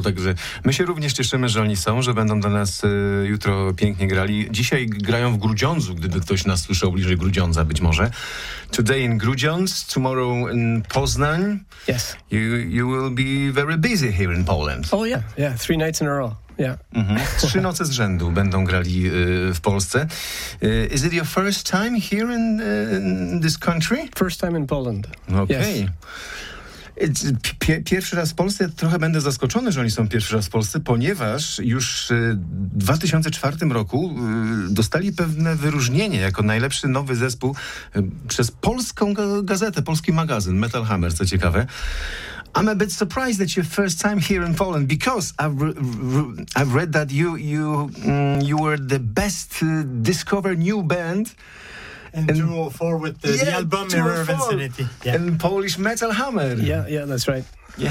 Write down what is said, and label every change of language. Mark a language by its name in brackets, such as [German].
[Polish] Także my się również cieszymy, że oni są, że będą dla nas jutro pięknie grali. Dzisiaj grają w Grudziądzu, gdyby ktoś nas słyszał bliżej Grudziądza, być może. [English] Today in Grudziądz, tomorrow in Poznań. Yes. You will be very busy here in Poland. Oh yeah, yeah, 3 nights in a row. Yeah. Mm-hmm. [Polish] 3 noce z rzędu będą grali w Polsce. [English] Is it your first time here in this country? First time in Poland. Okay. Yes. [Polish] Pierwszy raz w Polsce, trochę będę zaskoczony, że oni są pierwszy raz w Polsce, ponieważ już w 2004 roku dostali pewne wyróżnienie jako najlepszy nowy zespół przez polską gazetę, polski magazyn, Metal Hammer, co ciekawe. [English] I'm a bit surprised that you're first time here in Poland because I've read that you were the best discovered new band. And 204 with the album Mirror of Insanity. Yeah. And Polish Metal Hammer. Yeah, that's right. Yeah.